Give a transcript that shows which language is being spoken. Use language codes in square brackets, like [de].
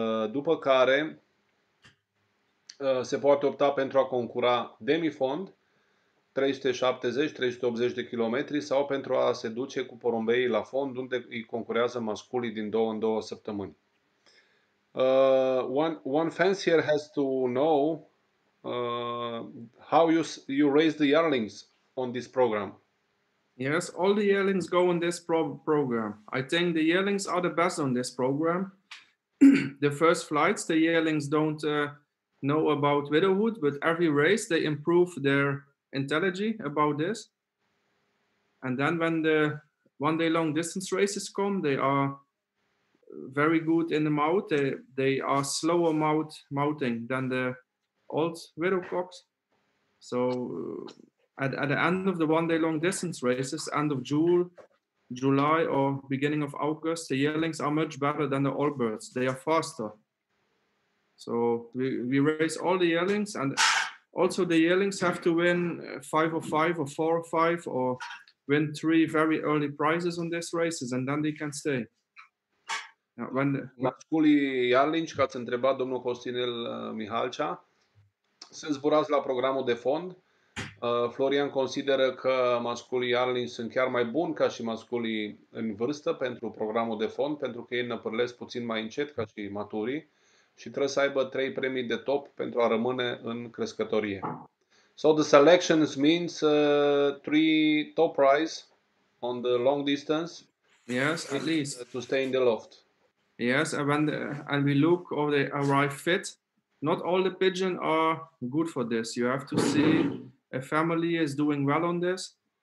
[ro] După care se poate opta pentru a concura demifond, 370-380 de kilometri, sau pentru a se duce cu porumbeii la fond, unde îi concurează masculii din două în două săptămâni. [en] One fancier has to know how you raise the yearlings on this program. Yes, all the yearlings go on this program. I think the yearlings are the best on this program. The first flights, the yearlings don't know about widowhood, but every race they improve their intelligence about this. And then when the 1 day long distance races come, they are very good in the mouth. They are slower mouthing than the old widow cocks. So at the end of the 1 day long distance races, end of July or beginning of August, the yearlings are much better than the old birds. They are faster. So we race all the yearlings, and also the yearlings have to win 5 or 5 or 4 or 5 or win 3 very early prizes on these races, and then they can stay. [ro] Masculii yearlings, că ați întrebat domnul Costinel Mihalcea, sunt zburați la programul de fond. Florian consideră că masculii yearlings sunt chiar mai buni ca și masculii în vârstă pentru programul de fond, pentru că ei năpârlesc puțin mai încet ca și maturii și trebuie să aibă 3 premii de top pentru a rămâne în crescătorie. [en] So the selections means 3 top prize on the long distance. Yes, at least to stay in the loft. Yes, and we look or they arrive fit. Not all the pigeons are good for this. You have to see a family is doing well on this.